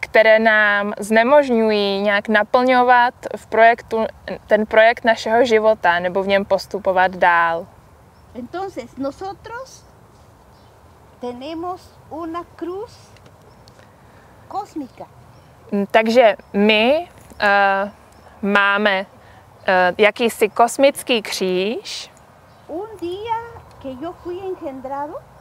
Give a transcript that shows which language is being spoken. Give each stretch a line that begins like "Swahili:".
Czech: které nám znemožňují nějak naplňovat v projektu ten projekt našeho života nebo v něm postupovat dál.
Spanish: Entonces, nosotros tenemos una cruz cósmica.
Czech: Takže my máme jakýsi kosmický kříž.
Spanish: Un día que yo fui engendrado.